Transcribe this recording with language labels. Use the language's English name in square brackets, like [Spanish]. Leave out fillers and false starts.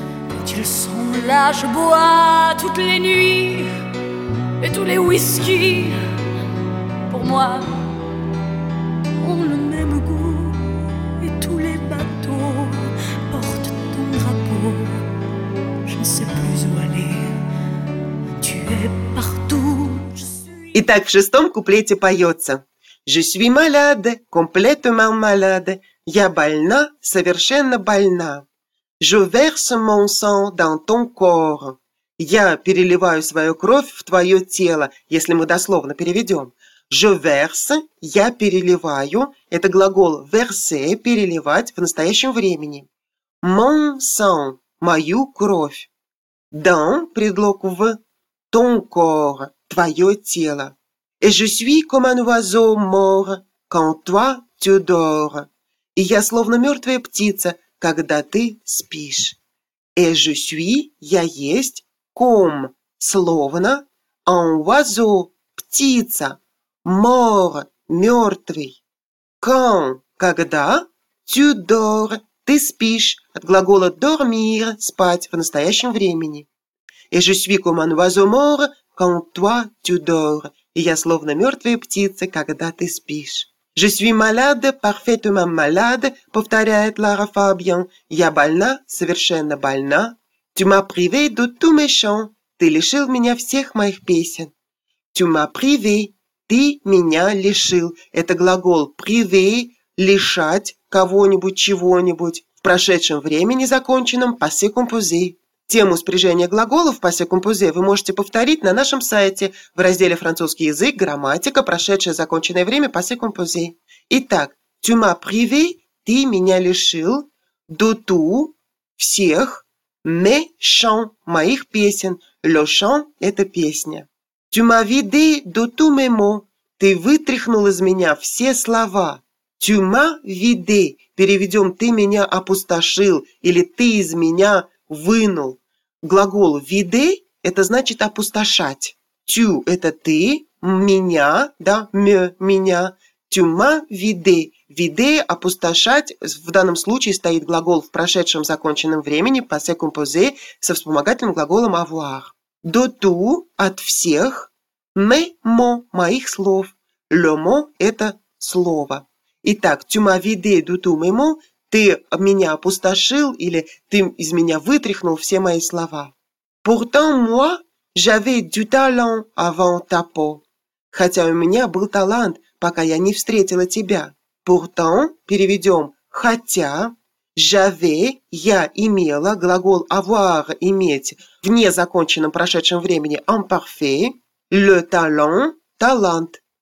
[French] Quand ils sont là, je bois toutes les nuits et tous les whisky pour moi ont le même goût. Et tous les bateaux portent ton drapeau. Je ne sais plus où aller, tu es partout. [Russian] Итак, в шестом куплете поется. [French] Je suis malade, complètement malade. [Russian] Я больна, совершенно больна. [French] Je verse mon sang dans ton corps. [Russian] Я переливаю свою кровь в твое тело, если мы дословно переведем. [French] Je verse, [Russian] я переливаю. Это глагол verser, переливать в настоящем времени. [French] Mon sang, [Russian] мою кровь. Dans, предлог в, [French] ton corps, [Russian] твое тело. [French] Et je suis comme un oiseau mort quand toi tu dors. [Russian] И я словно мертвая птица, когда ты спишь. [French] Et je suis, [Russian] я есть, [French] comme, словно, un oiseau, птица, mort, мертвый. [Russian] Quand, когда, [French] tu dors, [Russian] ты спишь, от глагола dormir, спать в настоящем времени. [French] Et je suis comme un oiseau mort quand toi tu dors. [Russian] И я словно мертвая птица, когда ты спишь. [French] Je suis malade, parfaitement malade, повторяет Лара Фабиан. [Russian] Я больна, совершенно больна. [French] Tu m'as privé de tous mes chants. [Russian] Ты лишил меня всех моих песен. [French] Tu m'as privé. [Russian] Ты меня лишил. Это глагол privé, лишать кого-нибудь чего-нибудь. В прошедшем времени законченном passé composé. Тему спряжения глаголов passé composé вы можете повторить на нашем сайте в разделе «Французский язык. Грамматика. Прошедшее законченное время passé composé». Итак, [French] «tu m'as privé» [Russian] – «ты меня лишил», «de tout» – «всех», [French] «mes chants» [Russian] – «моих песен», [French] «le chant» [Russian] – «это песня». [French] Tu m'as vidé de tous mes mots. [Russian] Ты вытряхнул из меня все слова. [French] Tu m'as vidé. [Russian] Переведем «ты меня опустошил» или «ты из меня вынул». Глагол «vidé» – это значит «опустошать». «Tu» – это «ты», «меня», да, «me» – «меня». [French] «Tu m'as vidé». [Russian] «Vidé» – «опустошать». В данном случае стоит глагол в прошедшем законченном времени, «passé composé», со вспомогательным глаголом «avoir». «De tout» – «от всех», [French] «mes mots» [Russian] – «моих слов», [French] «le mot» [Russian] – «это слово». Итак, [French] tu m'as vidé de tous mes mots, [Russian] ты меня опустошил или ты из меня вытряхнул все мои слова. [French] Pourtant moi, j'avais du talent avant ta peau. [Russian] Хотя у меня был талант, пока я не встретила тебя. Pourtant, переведем хотя, [French] j'avais, [Russian] я имела, глагол avoir, иметь, в незаконченном прошедшем времени, en parfait, [French] le talent, [Russian] талант.